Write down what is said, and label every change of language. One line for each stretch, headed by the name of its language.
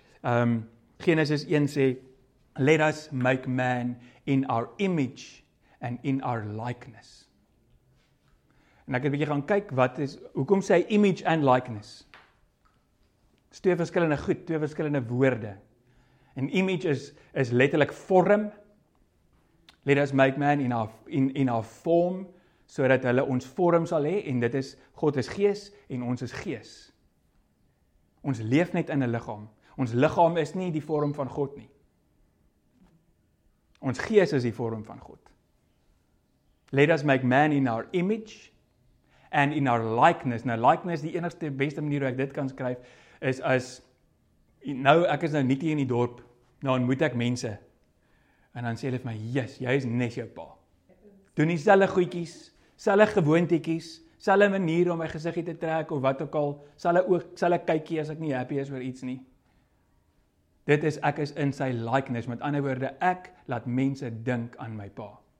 English: Genesis 1 sê, let us make man in our image and in our likeness.
Afrikaans: En ek het 'n bietjie gaan kyk hoekom sê hy
English: image and likeness?
Afrikaans: Dis twee verskillende woorde. En image is letterlik vorm.
English: Let us make man in our form,
Afrikaans: sodat hulle ons vorm sal hê, en dit is, God is gees en ons is gees. Ons leef net in 'n liggaam. Ons liggaam is nie die vorm van God nie. Ons gees is die vorm van God.
English: Let us make man in our image and in our likeness.
Afrikaans: Nou, likeness, die enigste beste manier hoe ek dit kan skryf, is as, nou, ek is nou nie hier in die dorp, nou ontmoet ek mense, en dan sê hulle vir my, yes, jy is net jou pa. Doen dieselfde goedjies, selfe gewoontetjies, selfe manier om my gesiggie te trek of wat ook al, selfe kykie as ek nie happy is oor iets nie. Dit is, ek is in sy likeness. Met ander woorde, ek laat mense dink aan my pa.